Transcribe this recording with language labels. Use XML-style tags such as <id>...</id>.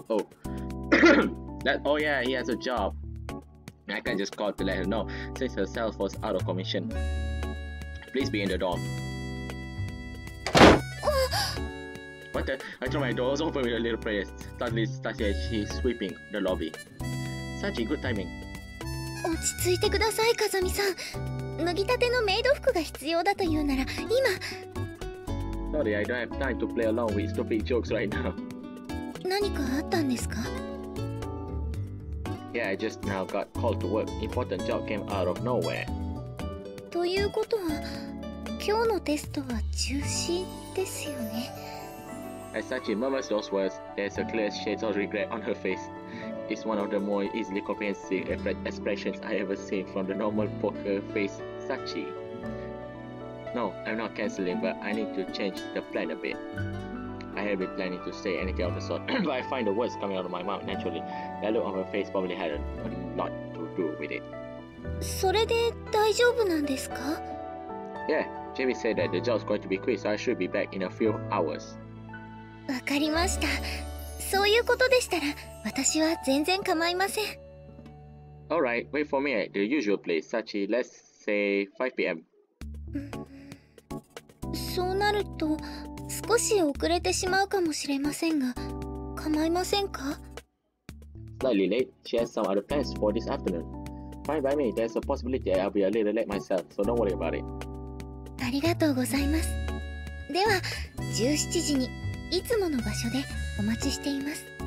<en>Oh. Oh yeah, he has a job. I can just call to let her know since her cell phone's out of commission. Please be in the dorm. What the? I threw my doors open with a little prayer. Suddenly, Sachi is sweeping the lobby. Sachi, good timing.</en> <ja>落ち着いてください、カズミさん。脱ぎたてのメイド服が必要だというなら、今。</ja> <en>Sorry, I don't have time to play along with stupid jokes right now.</en> <ja>何かあったんですか?</ja> <en>Yeah, I just now got called to work. Important job came out of nowhere.</en> <ja>ということは、今日のテストは中止ですよね。</ja> <en>As Sachi murmurs those words, there's a clear shade of regret on her face. It's one of the more easily comprehensive expressions I ever seen from the normal poker face Sachi. No, I'm not cancelling, but I need to change the plan a bit. I haven't been planning to say anything of the sort, but I find the words coming out of my mouth naturally. The look on her face probably had a lot to do with it.</en> <ja>それで大丈夫なんですか?</ja> <en>Yeah, Jamie said that the job's going to be quick, so I should be back in a few hours.</en> <ja>わかりました。そういうことでしたら、私は全然構いません。</ja> <en>Alright, wait for me at the usual place, Sachi. Let's say 5 p.m.</en> <ja>そうなると、少し遅れてしまうかもしれませんが、構いませんか?</ja> <en>Slightly late. She has some other plans for this afternoon. Fine by me. There's a possibility I'll be a little late myself, so don't worry about it.</en> <ja>ありがとうございます。では、17時に。いつもの場所でお待ちしています。</ja>